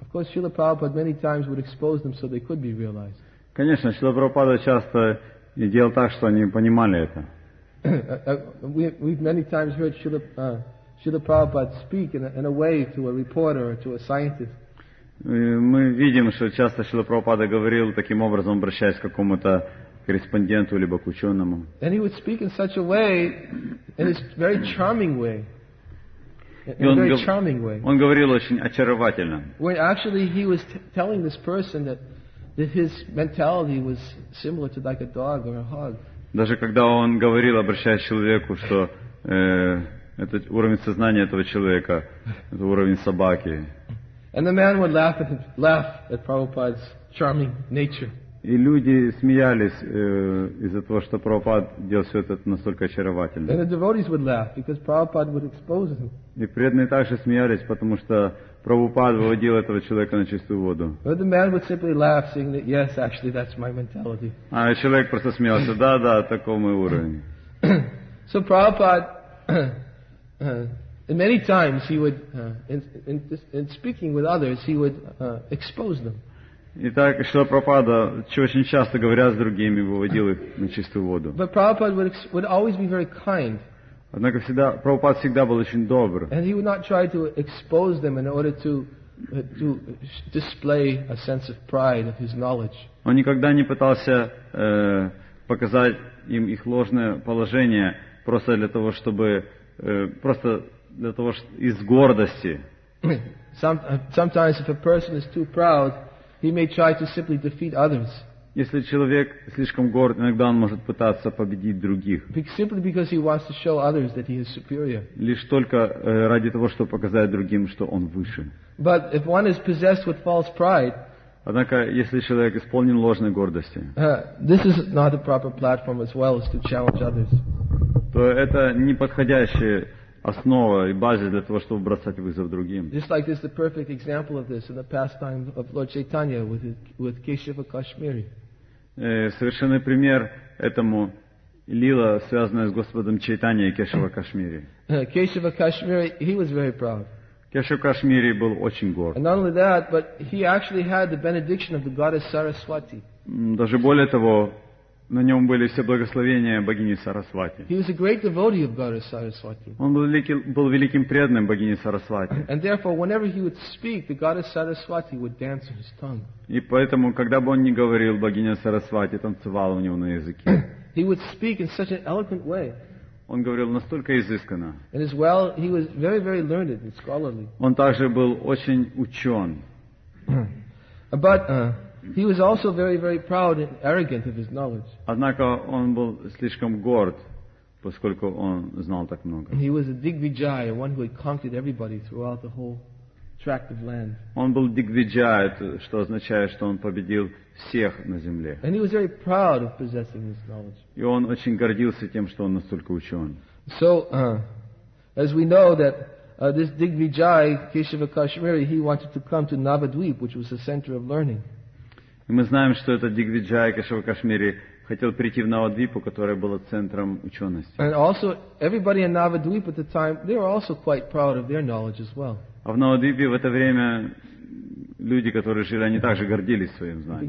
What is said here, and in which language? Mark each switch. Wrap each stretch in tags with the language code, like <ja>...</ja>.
<ru>Конечно, Шрила Прабхупада часто делал так, что они понимали это.</ru> <en>We've many times heard Шрила Прабхупада speak in a way to a reporter or to a scientist.</en> <ru>Мы видим, что часто Шрила Прабхупада говорил таким образом, обращаясь к какому-то корреспонденту либо к ученому.</ru> <en>And he would speak in such a way, in a very charming way. In a very charming way.</en> <ru>Он говорил очень очаровательно.</ru> <en>When actually he was telling this person that his mentality was similar to like a dog or a hog.</en> <ru>Даже когда он говорил, обращаясь к человеку, что этот уровень сознания этого человека, это уровень собаки.</ru> <en>And the man would laugh at Prabhupada's charming nature.</en> <ru>И люди смеялись из-за того, что Прабхупада делал все это настолько очаровательно.</ru> <en>And the devotees would laugh because Prabhupada would expose him.</en> <ru>И преданные также смеялись, потому что Прабхупада выводил этого человека на чистую воду.</ru> <en>But the man would simply laugh, saying that yes, actually that's my mentality.</en> <ru>А человек просто смеялся. Да, да, такой мой уровень.</ru> <en>So Prabhupada. And many times he would, in speaking with others, he would expose them.</en> <ru>Итак, Шрила Прабхупада, очень часто говоря с другими, выводил их на чистую воду.</ru> <en>But Prabhupada would always be very kind.</en> <ru>Однако всегда Прабхупада всегда был очень добр.</ru> <en>And he would not try to expose them in order to display a sense of pride of his knowledge.</en> <ru>Он никогда не пытался показать им их ложное положение просто для того, чтобы просто для того, что из гордости.</ru> <en>Sometimes if a person is too proud, he may try to simply defeat others.</en> <ru>Если человек слишком горд, иногда он может пытаться победить других.</ru> <en>Simply because he wants to show others that he is superior.</en> <ru>Лишь только ради того, чтобы показать другим, что он выше.</ru> <en>But if one is possessed with false pride,</en> <ru>однако, если человек исполнен ложной гордости,</ru> <en>this is not a proper platform as well as to challenge others.</en> <ru>То это неподходящее основа и база для того, чтобы бросать вызов другим.</ru> <en>Just like this, the perfect example of this in the pastime of Lord Chaitanya with Keshava Kashmiri.</en> <ru>Совершенный пример этому лила, связанная с Господом Чайтанья и Кешава Кашмири.</ru> <en>Кешава Кашмири, he was very proud.</en> <ru>Кешава Кашмири был очень горд.</ru> <en>And not only that, but he actually had the benediction of the goddess Сарасвати.</en> <ru>Даже более того, на нем были все благословения богини Сарасвати.</ru> <en>He was a great devotee of goddess Сарасвати.</en> <ru>Он был великим преданным богини Сарасвати.</ru> <en>And therefore, whenever he would speak, the goddess Сарасвати would dance on his tongue.</en> <ru>И поэтому, когда бы он ни говорил, богиня Сарасвати танцевала у него на языке.</ru> <en>He would speak in such an eloquent way.</en> <ru>Он говорил настолько изысканно.</ru> <en>And as well, he was very, very learned and scholarly.</en> <ru>Он также был очень учен.</ru> <en>But He was also very, very proud and arrogant of his knowledge.</en> <ru>Однако он был слишком горд, поскольку он знал так много.</ru> <en>He was a Digvijaya, one who had conquered everybody throughout the whole tract of land.</en> <ru>Он был Digvijaya, что означает, что он победил всех на земле.</ru> <en>And he was very proud of possessing this knowledge.</en> <ru>И он очень гордился тем, что он настолько учен.</ru> <en>So, as we know that this Digvijaya, Keshava Kashmiri, he wanted to come to Navadvip, which was the center of learning.</en> <ru>И мы знаем, что этот Дигвиджай Кешава Кашмири хотел прийти в Навадвипу, которая была центром учености. А в Навадвипе в это время люди, которые жили, они также гордились своим</ru>